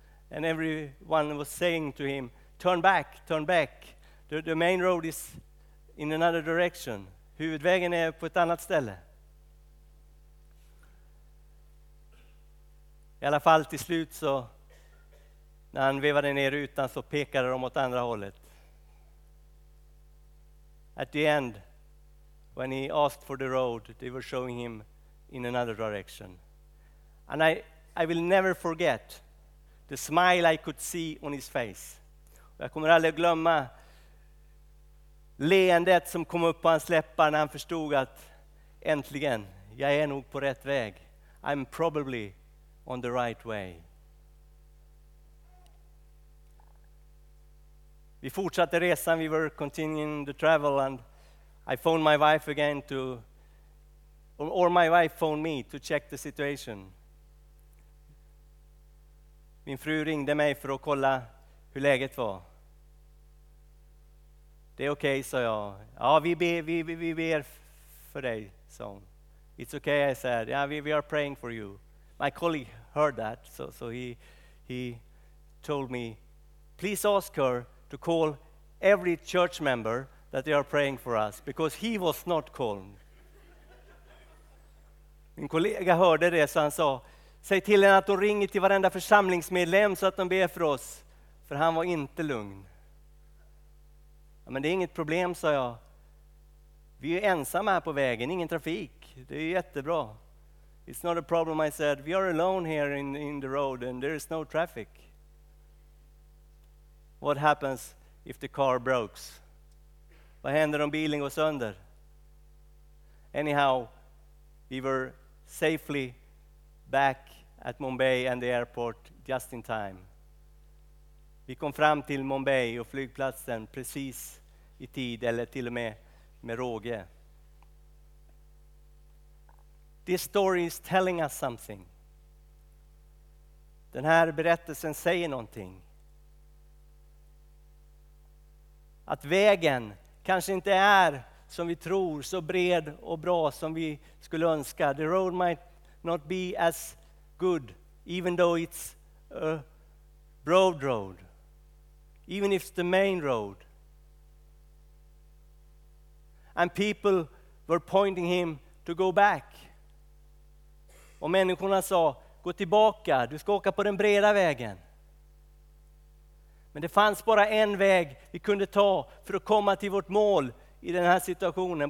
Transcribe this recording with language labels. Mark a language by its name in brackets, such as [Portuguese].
[English] And everyone was saying to him, turn back, the main road is in another direction. [Swedish] Huvudvägen är på ett annat ställe. I alla fall till slut så när han vevade ner rutan så pekade de åt andra hållet. [English] At the end, when he asked for the road, they were showing him in another direction. And I will never forget the smile I could see on his face. [Swedish] Jag kommer aldrig glömma leendet som kom upp på hans läppar när han förstod att äntligen, jag är nog på rätt väg. [English] I'm probably on the right way. [Swedish] Vi fortsatte resan, [English] we were continuing the travel and I phoned my wife again to, or my wife phoned me to check the situation. [Swedish] Min fru ringde mig för att kolla hur läget var. Det är okej, sa jag. Ja, vi ber för dig, sa hon. [English] It's okay, I said. Yeah, we are praying for you. My colleague heard that, so he told me, please ask her to call every church member that they are praying for us, because he was not called. [Swedish] Min kollega hörde det, så han sa, säg till henne att hon ringer till varenda församlingsmedlem så att de ber för oss, för han var inte lugn. Ja, men det är inget problem, sa jag. Vi är ensamma här på vägen, ingen trafik. Det är jättebra. [English] It's not a problem, I said. We are alone here in the road and there is no traffic. What happens if the car breaks? [Swedish] Vad händer om bilen går sönder? [English] Anyhow, we were safely back at Mumbai and the airport just in time. [Swedish] Vi kom fram till Mumbai och flygplatsen precis i tid, eller till och med råge. [English] This story is telling us something. [Swedish] Den här berättelsen säger någonting. Att vägen kanske inte är som vi tror, så bred och bra som vi skulle önska. [English] The road might not be as good, even though it's a broad road. Even if it's the main road. And people were pointing him to go back. [Swedish] Och människorna sa, gå tillbaka, du ska åka på den breda vägen. Men det fanns bara en väg vi kunde ta för att komma till vårt mål i den här situationen.